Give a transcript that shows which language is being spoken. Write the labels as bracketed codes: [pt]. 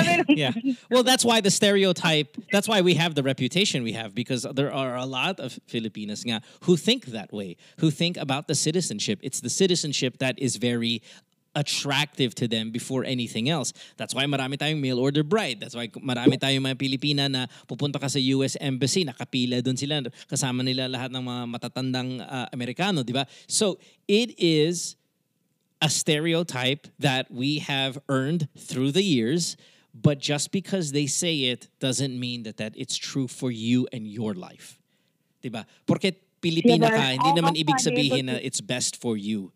[en] Yeah. Well, that's why the stereotype, that's why we have the reputation we have, because there are a lot of Filipinas nga who think that way, who think about the citizenship. It's the citizenship that is very attractive to them before anything else. That's why [tl] marami tayong mail order bride. [en] That's why [tl] marami tayong mga Pilipina na pupunta ka sa US Embassy, nakapila dun sila, kasama nila lahat ng mga matatandang Amerikano, di ba? [en] So it is a stereotype that we have earned through the years, but just because they say it doesn't mean that it's true for you and your life. [tl] Di ba? Porque Pilipina ka, hindi naman ibig sabihin na [en] it's best for you.